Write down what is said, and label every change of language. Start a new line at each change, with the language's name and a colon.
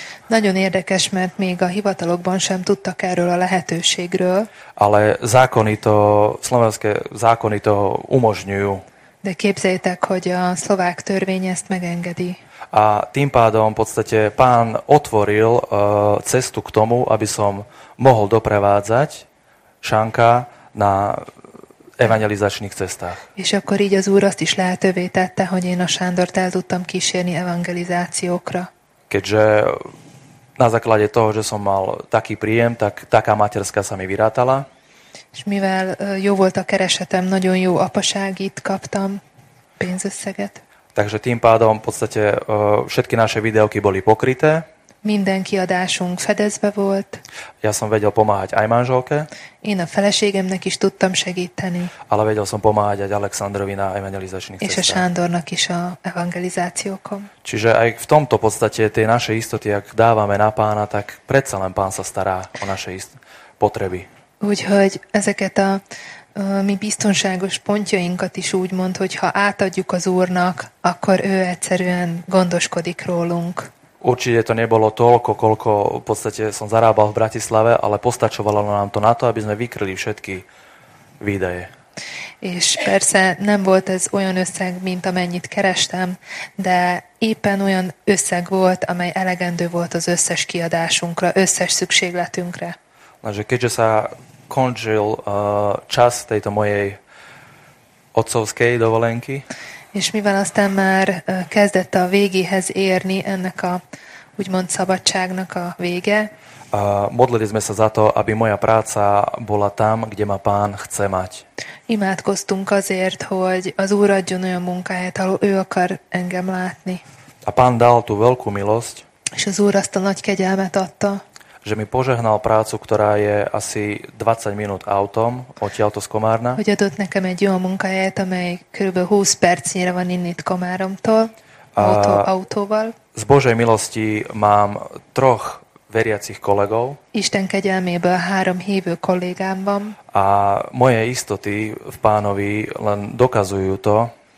Hungarian: Nagyon érdekes, mert még a hivatalokban sem tudtak erről a lehetőségről.
Slovak: Ale slovenské zákony to umožňujú.
Hungarian: De képzeljétek, hogy a szlovák törvény ezt megengedi.
Slovak: A tým pádom v podstate pán otvoril cestu k tomu, aby som mohol doprevádzať Šanka na evangelizačných cestách.
Hungarian: És akkor így az Úr azt is lehetővé tette, hogy én a Sándort el tudtam kísérni evangelizációkra.
Slovak: Keďže na základe toho, že som mal taký príjem, tak taká materská sa mi vyrátala.
Hungarian: És mivel jó volt a keresetem, nagyon jó apaságit kaptam, pénzösszeget.
Slovak: Takže tým pádom v podstate všetky naše videóky boli pokryté.
Hungarian: Minden kiadásunk fedezve volt.
Slovak: Ja som vedel pomáhať aj manželke.
Hungarian: Én a feleségemnek is tudtam segíteni.
Slovak: Ale vedel som pomáhať aj Alexandrovi na evangelizačných cestách.
Hungarian: És a Sándornak is a evangelizációkom.
Slovak: Čiže aj v tomto podstate tie naše istoty, ak dávame na Pána, tak predsa len Pán sa stará o naše potreby.
Hungarian: Úgyhogy ezeket a mi biztonságos pontjainkat is úgy mond, hogy ha átadjuk az Úrnak, akkor ő egyszerűen gondoskodik rólunk.
Slovak: Určite to nebolo toľko, koľko v podstate som zarábal v Bratislave, ale postačovalo nám to na to, aby sme vykryli všetky výdaje.
Hungarian: És persze nem volt ez olyan összeg, mint amennyit kerestem, de éppen olyan összeg volt, amely elegendő volt az összes kiadásunkra, összes szükségletünkre.
Slovak: Lenže keďže sa končil čas tejto mojej otcovskej dovolenky.
Hungarian: És mivel aztán már kezdett a végéhez érni ennek a úgymond szabadságnak a vége.
Slovak: Modlili sme sa za to, aby moja práca bola tam, kde ma Pán chce mať.
Hungarian: Imádkoztunk azért, hogy az Úr adjon olyan munkáját, ahol ő akar engem látni.
Slovak: A Pán dal tú veľkú milosť.
Hungarian: És az Úr azt a nagy kegyelmet adta.
Slovak: Že mi požehnal prácu, ktorá je asi 20 minút autom odtiaľto z Komárna.
Hungarian: Hogy adott nekem egy jó munkahelyet, amely kb. 20 percnyire van innit Komáromtól, autóval.
Slovak: Z Božej milosti mám troch veriacich kolegov.
Hungarian: Isten kegyelméből három hívő kollégám van.
Slovak: A moje istoty v Pánovi len dokazujú to.